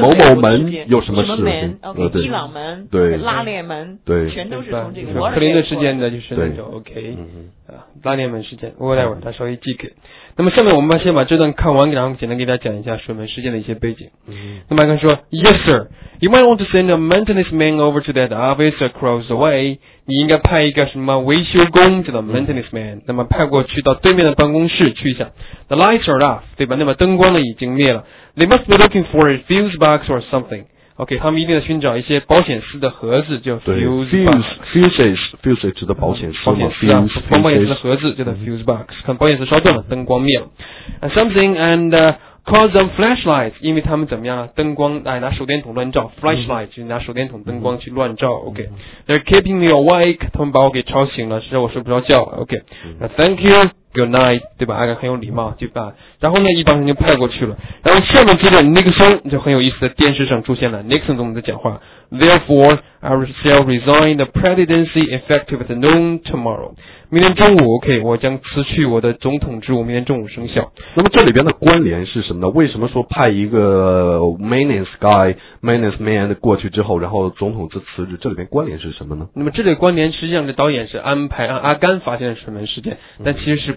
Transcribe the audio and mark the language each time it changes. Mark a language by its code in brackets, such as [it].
[zh] 某某门有什么事？伊朗门、对，拉链门，对，全都是从这个克林顿事件的，就是那种 OK。拉链门事件，我待会儿再稍微记给。那么下面我们先把这段看完，然后简单给大家讲一下水门事件的一些背景。那么阿甘说 ： [en] “Yes, sir. You might want to send a maintenance man over to that office across the way. [zh] 你应该派一个什么维修工，叫做 maintenance man。那么派过去到对面的办公室去一下。 [en] The lights are off， [zh] 对吧？那么灯光呢已经灭了。 [en] They must be looking for a fuse box or something.” [zh] OK， 他们一定要寻找一些保险丝的盒子，叫 fuse box 指的保险丝，保险丝的盒子叫做 fuse box。看保险丝烧断了，灯光灭了。 [en] Something and call them flashlights， [zh] 因为他们怎么样啊？灯光哎，拿手电筒乱照 ，flashlight 就拿手电筒灯光去乱照。 OK， [en] they're keeping me awake， [zh] 他们把我给吵醒了，实在我睡不着觉。 OK， [en] thank you。 Good night， [zh] 对吧？阿甘很有礼貌，对吧？然后呢，一帮人就派过去了。然后下面接着尼克松就很有意思，在电视上出现了尼克松总统的讲话。 [en] Therefore, I shall resign the presidency effective at noon tomorrow。 [zh] 明天中午 ，OK， 我将辞去我的总统职务，明天中午生效。那么这里边的关联是什么呢？为什么说派一个 maintenance man 过去之后，然后总统就辞职？这里边关联是什么呢？那么这里关联实际上是导演是安排让阿甘发现了水门事件，但其实是。